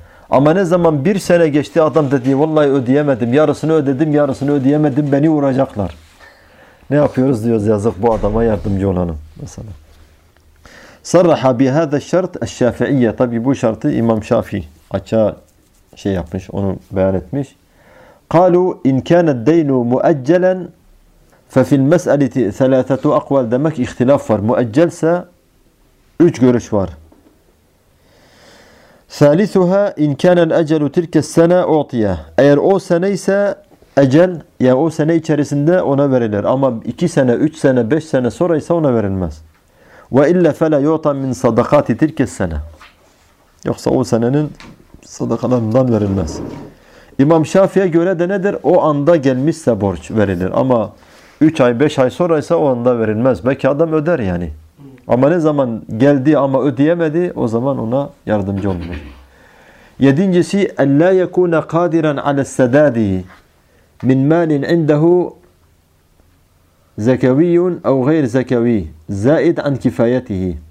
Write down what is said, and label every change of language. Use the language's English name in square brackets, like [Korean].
[Turkish] Ama ne zaman bir sene geçti, adam dedi vallahi ödeyemedim, yarısını ödedim, yarısını ödeyemedim, beni vuracaklar. Ne yapıyoruz diyoruz, yazık bu adama, yardımcı olalım mesela. [Arabic] Sarraha bihâze şart el-Şâfiîye. [Turkish] Tabi bu şartı İmam Şafii açığa şey yapmış, onu beyan etmiş. [Arabic] قالوا إن كان الدين مؤجلا ففي المسألة ثلاثة أقوال. [Turkish] Demek ihtilaf var. Müeccelse üç görüş var. [Arabic] ثالثها إن كان الأجل تلك السنة أعطي. [Turkish] Eğer o sene ise ecel, yani o sene içerisinde ona verilir. Ama iki sene, üç sene, beş sene sonra ise ona verilmez. [Arabic] وإلا فلا يعطى من صدقات تلك السنة. [Turkish] Yoksa o senenin sadakalarından verilmez. İmam Şafii'ye göre de nedir? O anda gelmişse borç verilir. Ama 3 ay, 5 ay sonra ise o anda verilmez. Belki adam öder yani. Ama ne zaman geldi ama ödeyemedi, o zaman ona yardımcı olmuyor. Yedincisi, [Arabic] اَلَّا يَكُونَ قَادِرًا عَلَى السَّدَادِ مِنْ مَالٍ عِنْدَهُ زَكَوِيٌ اَوْ غَيْرِ زَكَوِي زَائِدْ عَنْ كِفَيَتِهِ.